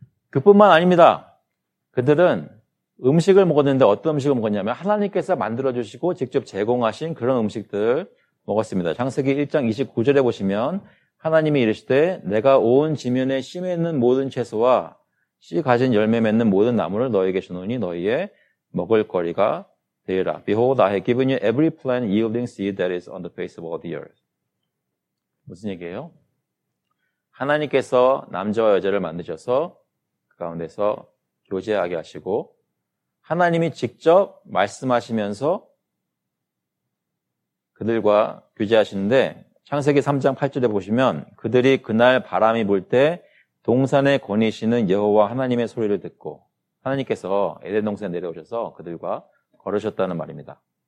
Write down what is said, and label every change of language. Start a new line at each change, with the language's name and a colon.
Korean: 그뿐만 아닙니다. 그들은 음식을 먹었는데 어떤 음식을 먹었냐면 하나님께서 만들어주시고 직접 제공하신 그런 음식들 먹었습니다. 창세기 1장 29절에 보시면 하나님이 이르시되 내가 온 지면에 심어있는 모든 채소와 씨 가진 열매 맺는 모든 나무를 너희에게 주노니 너희의 먹을 거리가 되리라.
English: Behold, I have given you every plant yielding seed that is on the face of all the earth.
Korean: 무슨 얘기예요? 하나님께서 남자와 여자를 만드셔서 그 가운데서 교제하게 하시고 하나님이 직접 말씀하시면서 그들과 교제하시는데 창세기 3장 8절에 보시면 그들이 그날 바람이 불 때 동산에 거니시는 여호와 하나님의 소리를 듣고 하나님께서 에덴 동산에 내려오셔서 그들과 걸으셨다는 말입니다.